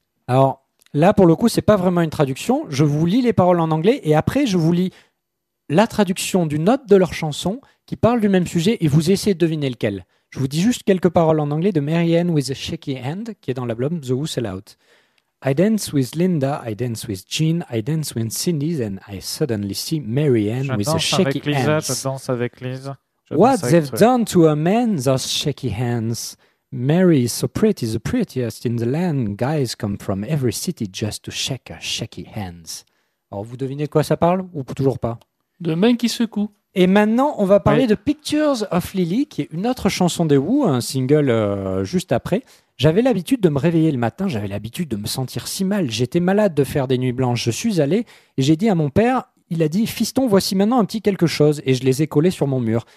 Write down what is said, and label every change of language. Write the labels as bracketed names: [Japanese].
[French] Alors là, pour le coup, c'est pas vraiment une traduction. Je vous lis les paroles en anglais et après, je vous lis la traduction d'une note de leur chanson qui parle du même sujet et vous essayez de deviner lequel. Je vous dis juste quelques paroles en anglais de Marianne with a Shaky Hand qui est dans l'album The Who Sell Out. [English] I dance with Linda, I dance with Jean, I dance with Cindy, then I suddenly see Marianne with a Shaky Hand. [French] Je danse avec Lisa. [English] What they've done to a man, those shaky hands. Mary is so pretty, the prettiest in the land. Guys come from every city just to shake her shaky hands. [French] Alors vous devinez de quoi ça parle ou toujours pas? De main qui secoue. Et maintenant, on va parler de Pictures of Lily, qui est une autre chanson des Who, un single juste après. J'avais l'habitude de me réveiller le matin, j'avais l'habitude de me sentir si mal. J'étais malade de faire des nuits blanches. Je suis allé et j'ai dit à mon père, il a dit « Fiston, voici maintenant un petit quelque chose » et je les ai collés sur mon mur.